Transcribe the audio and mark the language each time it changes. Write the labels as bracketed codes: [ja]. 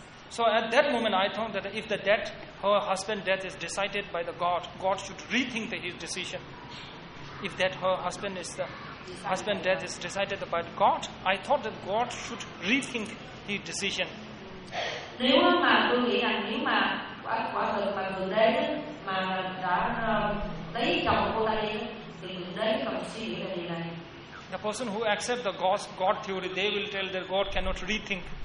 [en] So at that moment, I thought that if the death, her husband's death is decided by the God, God should rethink his decision. If that her husband is the husband's death is decided by the God, I thought that God should rethink his decision. [vi] Nếu mà tôi nghĩ rằng nếu mà quả thật mà người đấy mà đã lấy chồng cô ta đi thì người đấy cần suy nghĩ về điều này. [en] The person who accept the God theory, they will tell that God cannot rethink.